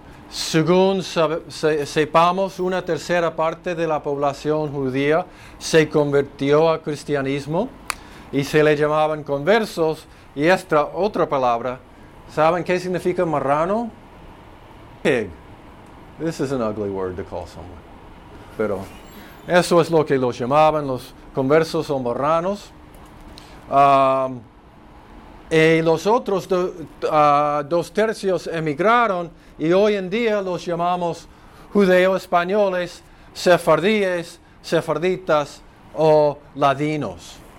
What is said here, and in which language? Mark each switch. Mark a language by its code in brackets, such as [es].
[es] Según sepamos, una tercera parte de la población judía se convirtió al cristianismo y se le llamaban conversos. Y esta otra palabra, ¿saben qué significa marrano? [en] Pig. This is an ugly word to call someone. [es] Pero eso es lo que los llamaban, los conversos o marranos. Y los otros dos tercios emigraron y hoy en día los llamamos judeo-españoles, sefardíes, sefarditas o ladinos.